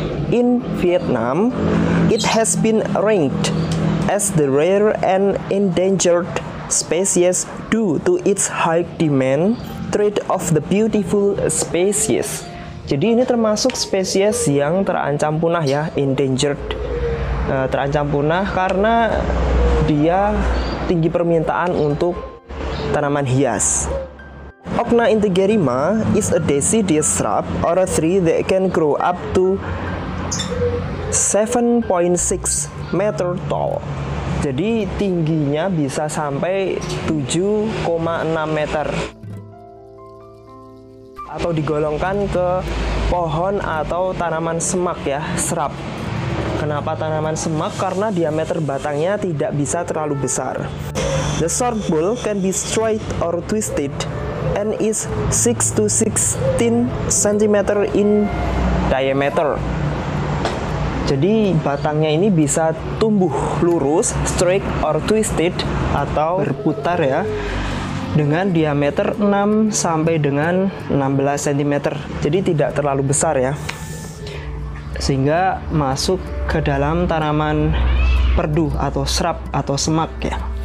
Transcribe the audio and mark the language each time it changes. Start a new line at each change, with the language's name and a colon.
English: In Vietnam, it has been ranked as the rare and endangered species due to its high demand trait of the beautiful species.
Indonesian: Jadi ini termasuk spesies yang terancam punah ya, endangered. Terancam punah karena dia tinggi permintaan untuk tanaman hias.
English: Okna integerrima is a deciduous shrub or a tree that can grow up to 7.6 meter tall.
Indonesian: Jadi tingginya bisa sampai 7,6 meter. Atau digolongkan ke pohon atau tanaman semak ya, shrub. Kenapa tanaman semak? Karena diameter batangnya tidak bisa terlalu besar.
English: The short bulb can be straight or twisted and is 6 to 16 cm in diameter.
Indonesian: Jadi batangnya ini bisa tumbuh lurus,
English: straight or twisted,
Indonesian: atau berputar ya, dengan diameter 6 sampai dengan 16 cm. Jadi tidak terlalu besar ya, sehingga masuk ke dalam tanaman perdu atau shrub atau semak ya.